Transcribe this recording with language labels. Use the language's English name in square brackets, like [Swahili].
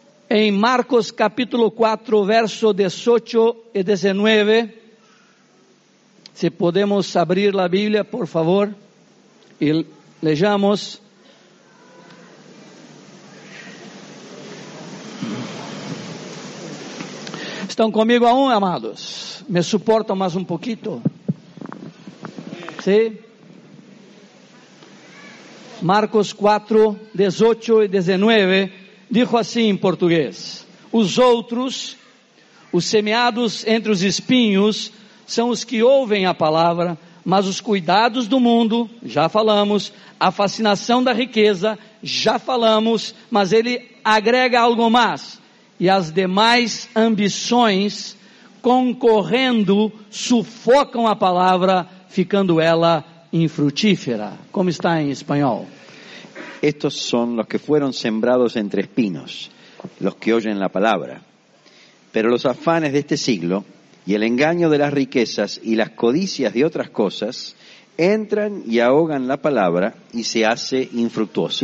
[Spanish] En Marcos capítulo 4, verso 18 y 19, si podemos abrir la Biblia, por favor, y leyamos. ¿Están conmigo aún, amados? ¿Me soportan más un poquito? ¿Sí? Marcos 4, 18 y 19, dijo así en portugués: [Portuguese] os outros, os semeados entre os espinhos, são os que ouvem a palavra, mas os cuidados do mundo, já falamos, a fascinação da riqueza, já falamos, mas ele agrega algo mais, e as demais ambições, concorrendo, sufocam a palavra, ficando ela infrutífera. [Spanish] Como está em espanhol? Estos son los que fueron sembrados entre espinos, los que oyen la palabra. Pero los afanes de este siglo y el engaño de las riquezas y las codicias de otras cosas entran y ahogan la palabra y se hace infructuosa.